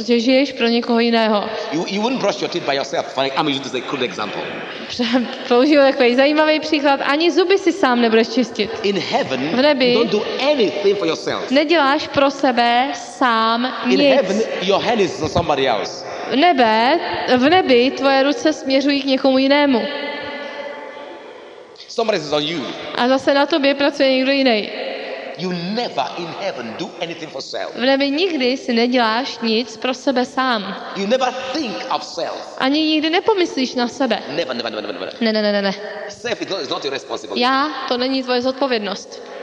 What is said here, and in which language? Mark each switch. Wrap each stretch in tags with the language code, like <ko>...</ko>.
<cs>Protože žiješ pro někoho jiného.</cs> <en>You wouldn't brush your teeth by yourself. I'm using this as a good example.</en> <cs>Použiju takový zajímavý příklad. Ani zuby si sám nebudeš čistit.</cs> <en>In heaven,</en> <cs>v nebi,</cs> <en>you don't do anything for yourself.</en> <cs>Neděláš pro sebe sám nic.</cs> <en>In heaven, your hand is for somebody else.</en> <cs>V nebi tvoje ruce směřují k někomu jinému.</cs> <en>Somebody is on you.</en> <cs>A zase na tobě pracuje někdo jiný.</cs> <en>You never in heaven do anything for self.</en> <cs>V nebi nikdy si neděláš nic pro sebe sám.</cs> <en>You never think of self.</en> <cs>Ani nikdy nepomyslíš na sebe.</cs> <en>Never.</en> <cs>Ne.</cs> <en>Self is not your responsibility.</en> <cs>Já, to není tvoje zodpovědnost.</cs>